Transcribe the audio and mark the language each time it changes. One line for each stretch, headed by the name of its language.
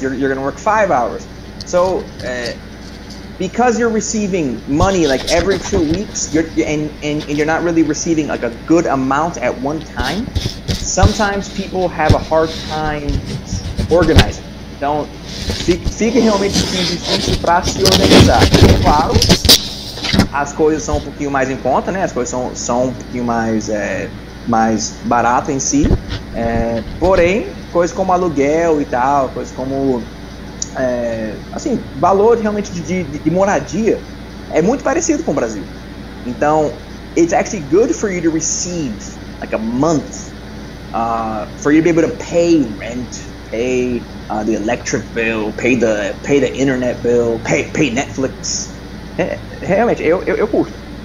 English: You're going to work 5 hours. So. Because you're receiving money like every 2 weeks, and you're not really receiving like a good amount at one time, sometimes people have a hard time organizing.
Portuguese: Então, fica realmente difícil para se organizar. Claro, as coisas são um pouquinho mais em conta, né? As coisas são um pouquinho mais, mais baratas em si. Porém, coisas como aluguel e tal, coisas como... assim, valor realmente de moradia é muito parecido com o Brasil.
English: Então, it's actually good for you to receive like a month for you to be able to pay rent, pay the electric bill, pay the internet bill, pay Netflix.
Portuguese: Realmente, eu curto.